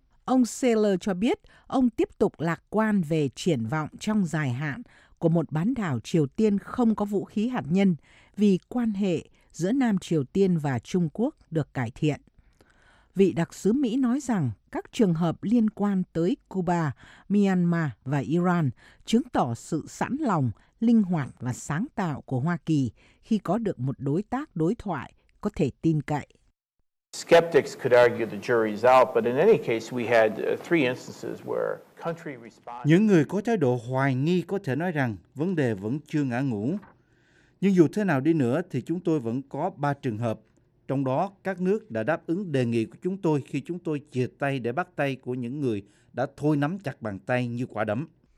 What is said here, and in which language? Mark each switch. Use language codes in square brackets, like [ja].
[vi] Ông Sealer cho biết ông tiếp tục lạc quan về triển vọng trong dài hạn của một bán đảo Triều Tiên không có vũ khí hạt nhân vì quan hệ giữa Nam Triều Tiên và Trung Quốc được cải thiện. Vị đặc sứ Mỹ nói rằng các trường hợp liên quan tới Cuba, Myanmar và Iran chứng tỏ sự sẵn lòng, linh hoạt và sáng tạo của Hoa Kỳ khi có được một đối tác đối thoại có thể tin cậy. [en] Skeptics could argue the jury is out, but in any case we had three instances where country responded. [vi] Những người có thái độ hoài nghi có thể nói rằng vấn đề vẫn chưa ngã ngũ. Nhưng dù thế nào đi nữa thì chúng tôi vẫn có 3 trường hợp, trong đó các nước đã đáp ứng đề nghị của chúng tôi khi chúng tôi chia tay để bắt tay của những người đã thôi nắm chặt bàn tay như quả đấm.